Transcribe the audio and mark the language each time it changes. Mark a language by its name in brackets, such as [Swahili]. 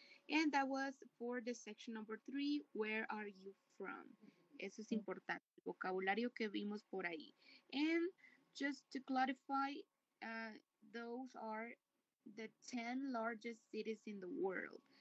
[English] And that was for the section number 3, where are you from? [Spanish] Eso es importante, el vocabulario que vimos por ahí. [English] And just to clarify, those are the 10 largest cities in the world.